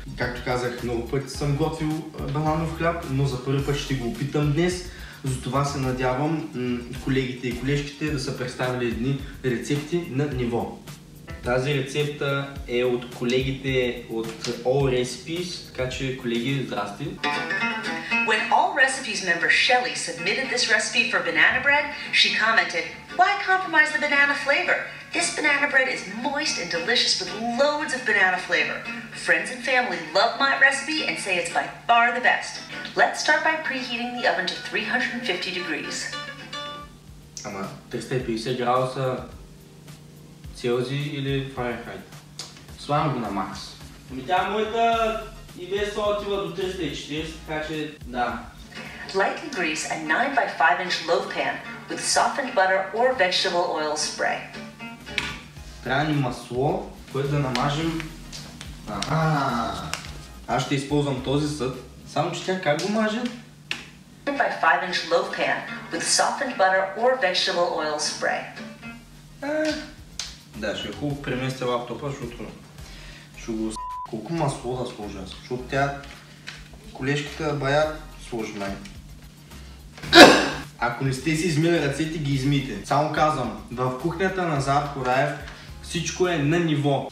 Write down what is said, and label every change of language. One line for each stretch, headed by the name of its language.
Bulgarian: Както казах, много пъти съм готвил бананов хляб, но за първи път ще го опитам днес. Затова се надявам колегите и колежките да са представили едни рецепти на ниво. Тази рецепта е от колегите от All Recipes, така че колеги, здрасти!
English: When All Recipes member Shelley submitted this recipe for banana bread, she commented, "Why compromise the banana flavor? This banana bread is moist and delicious with loads of banana flavor. Friends and family love my recipe and say it's by far the best. Let's start by preheating the oven to 350 degrees.
Bulgarian: Ама, 350 градуса Целзий или Фаренхайт? Славам го на макс. Ами тя моята и без това отива до 340, така че да.
English: Lightly grease a 9x5 inch loaf pan with softened butter or vegetable oil spray.
Bulgarian: Трябва ни масло, което да намажем. Аз ще използвам този съд. Само че тя как го маже?
English: 9x5 inch loaf pan with softened butter or vegetable oil spray.
Bulgarian: Да, ще е хубаво преместя лаптопа, защото ще го с**. Колко масло да сложа, защото тя колешката бая сложи май. Ако не сте си измили ръцете, ги измийте. Само казвам, в кухнята на Зарко Раев всичко е на ниво.